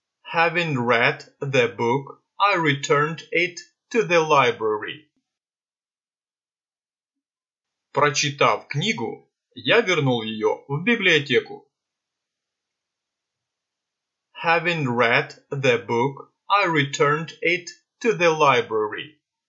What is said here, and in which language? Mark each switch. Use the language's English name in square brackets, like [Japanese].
[English] Having read the book, I returned it to the library. [Russian] Прочитав книгу, я вернул ее в библиотеку. [English] Having read the book, I returned it to the library.